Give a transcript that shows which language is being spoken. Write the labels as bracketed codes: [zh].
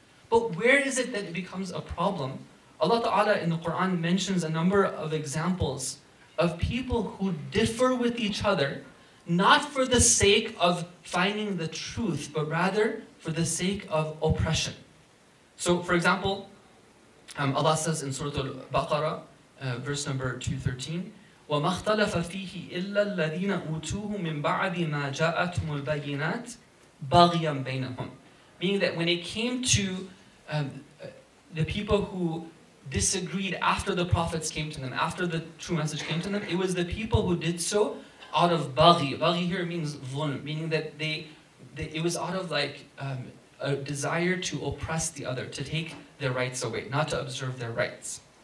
[en] But where is it that it becomes a problem? Allah Ta'ala in the Quran mentions a number of examples of people who differ with each other, not for the sake of finding the truth, but rather for the sake of oppression. So, for example, Allah says in Surah Al-Baqarah, verse number 213, [ar] وَمَا اخْتَلَفَ فِيهِ إِلَّا الَّذِينَ أُوتُوهُ مِنْ بَعْدِ مَا جَاءَتْهُمُ الْبَيِّنَاتِ بَغْيًا بَيْنَهُمْ. [en] Meaning that when it came to the people who disagreed after the prophets came to them, after the true message came to them, it was the people who did so out of baghi. Baghi here means vulm, meaning that it was out of a desire to oppress the other, to take their rights away, not to observe their rights.